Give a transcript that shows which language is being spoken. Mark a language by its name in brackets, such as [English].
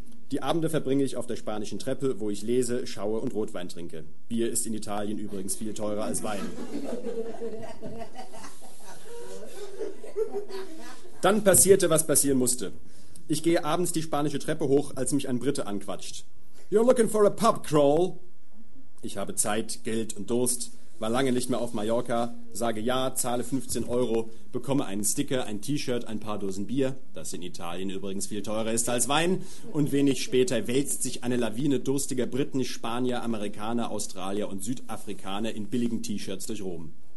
[German] Die Abende verbringe ich auf der spanischen Treppe, wo ich lese, schaue und Rotwein trinke. Bier ist in Italien übrigens viel teurer als Wein. Dann passierte, was passieren musste. Ich gehe abends die spanische Treppe hoch, als mich ein Brite anquatscht. [English] You're looking for a pub crawl? [German] Ich habe Zeit, Geld und Durst, war lange nicht mehr auf Mallorca, sage ja, zahle 15 Euro, bekomme einen Sticker, ein T-Shirt, ein paar Dosen Bier, das in Italien übrigens viel teurer ist als Wein, und wenig später wälzt sich eine Lawine durstiger Briten, Spanier, Amerikaner, Australier und Südafrikaner in billigen T-Shirts durch Rom.